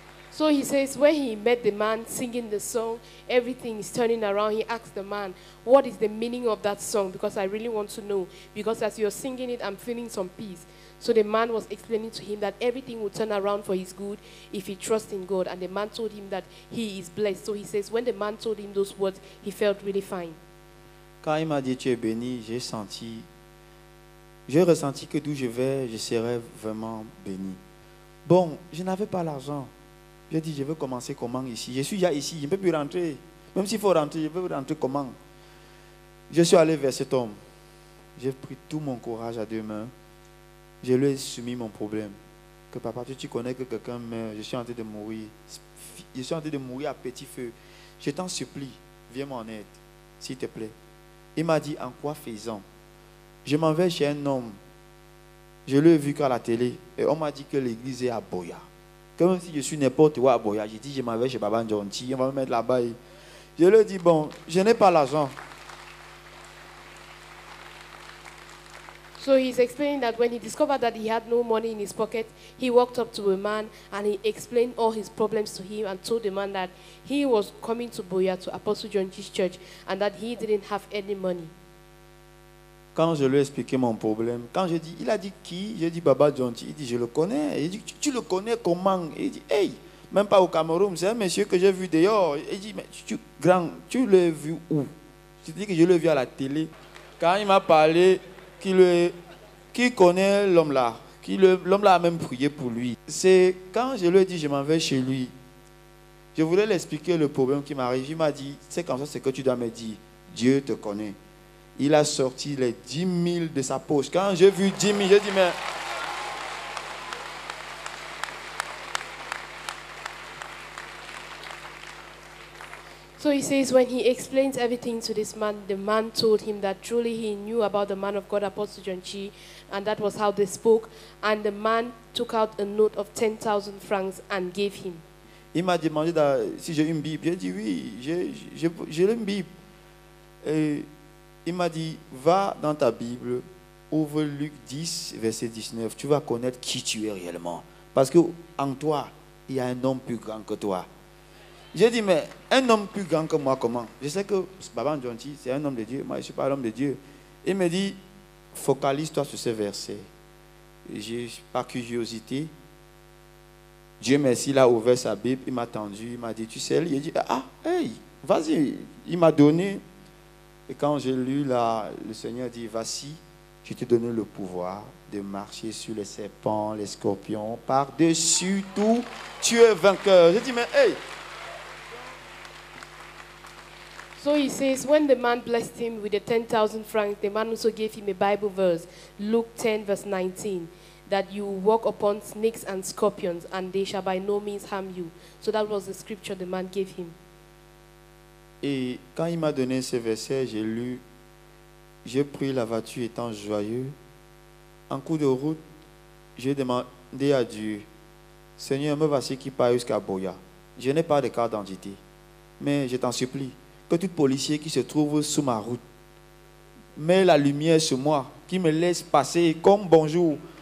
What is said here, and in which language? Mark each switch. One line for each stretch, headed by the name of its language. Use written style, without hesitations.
English: So he says, when he met the man singing the song, everything is turning around. He asks the man, what is the meaning of that song? Because I really want to know. Because as you're singing it, I'm feeling some peace. So the man was explaining to him that everything will turn around for his good if he trusts in God. And the man told him that he is blessed. So he says, when the man told him those words, he felt really fine.
French: Quand il m'a dit, tu es béni, j'ai ressenti que d'où je vais, je serai vraiment béni. Bon, je n'avais pas l'argent. J'ai dit, je veux commencer comment ici? Je suis déjà ici, je ne peux plus rentrer. Même s'il faut rentrer, je veux rentrer comment? Je suis allé vers cet homme. J'ai pris tout mon courage à deux mains. Je lui ai soumis mon problème. Que papa, tu connais que quelqu'un meurt, je suis en train de mourir. Je suis en train de mourir à petit feu. Je t'en supplie, viens m'en aide, s'il te plaît. Il m'a dit, en quoi faisant? Je m'en vais chez un homme. Je l'ai vu qu'à la télé. Et on m'a dit que l'église est à Boya. Comme si je suis n'importe où à Boya. J'ai dit, je m'en vais chez Baba Ndjonti, on va me mettre là-bas. Je lui ai dit, bon, je n'ai pas l'argent.
English: So he's explaining that when he discovered that he had no money in his pocket, he walked up to a man and he explained all his problems to him and told the man that he was coming to Boya to Apostle John's church and that he didn't have any money.
French: Quand je lui ai expliqué mon problème, quand j'ai dit, il a dit qui? J'ai dit Baba John's. Il dit, je le connais. Il dit, tu le connais comment? Il dit, hey, même pas au Cameroun, c'est un monsieur que j'ai vu dehors. Il dit, mais tu grand, tu l'as vu où? Je dis que je l'ai vu à la télé. Quand il m'a parlé, qui connaît l'homme-là? L'homme-là a même prié pour lui. C'est quand je lui ai dit, je m'en vais chez lui. Je voulais lui expliquer le problème qui m'arrive. Il m'a dit, c'est comme ça, c'est que tu dois me dire. Dieu te connaît. Il a sorti les 10 000 de sa poche. Quand j'ai vu 10 000, j'ai dit, mais...
English: So he says when he explains everything to this man, the man told him that truly he knew about the man of God, Apostle John Chi, and that was how they spoke. And the man took out a note of 10,000 francs and gave him.
French: Il m'a demandé si j'ai une Bible. J'ai dit oui, j'ai une Bible. Et il m'a dit, va dans ta Bible, ouvre Luc 10, verset 19. Tu vas connaître qui tu es réellement. Parce qu'en toi, il y a un homme plus grand que toi. J'ai dit, mais un homme plus grand que moi, comment? Je sais que Baba Ndjonti, c'est un homme de Dieu. Moi, je ne suis pas un homme de Dieu. Il me dit, focalise-toi sur ce verset. J'ai, par curiosité, Dieu merci, il a ouvert sa Bible, il m'a tendu, il m'a dit, tu sais, il a dit, ah, hey, vas-y. Il m'a donné. Et quand j'ai lu là, le Seigneur dit, vas-y, je te donne le pouvoir de marcher sur les serpents, les scorpions, par-dessus tout, tu es vainqueur. J'ai dit, mais hey!
English: So he says, when the man blessed him with the 10,000 francs, the man also gave him a Bible verse, Luke 10, verse 19, that you walk upon snakes and scorpions, and they shall by no means harm you. So that was the scripture the man gave him.
French: Et quand il m'a donné ce verset, j'ai lu, j'ai pris la voiture étant joyeux. En cours de route, j'ai demandé à Dieu, Seigneur, me voici qui part jusqu'à Boya. Je n'ai pas de carte d'identité, mais je t'en supplie. Que tout policier qui se trouve sous ma route met la lumière sur moi, qui me laisse passer comme bonjour.